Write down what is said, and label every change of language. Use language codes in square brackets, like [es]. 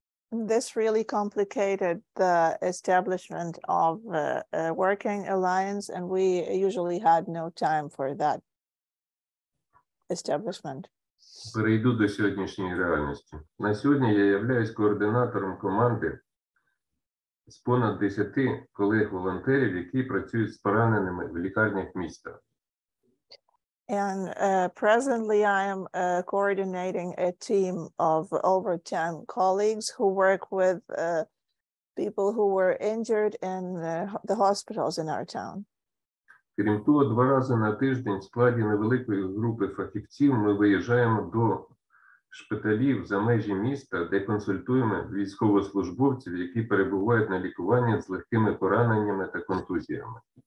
[en] This really complicated the establishment of a working alliance, and we usually had no time for that establishment. [uk] Перейду до сьогоднішньої реальності. На сьогодні я являюсь координатором команди з понад 10 колег-волонтерів, які працюють з пораненими в лікарнях міста. [en] And presently I am coordinating a team of over 10 colleagues who work with people who were injured in the hospitals in our town. [uk] Крім того, два рази на тиждень в складі невеликої групи фахівців ми виїжджаємо до шпиталів за межі міста, де консультуємо військовослужбовців, які перебувають на лікуванні з легкими пораненнями та контузіями.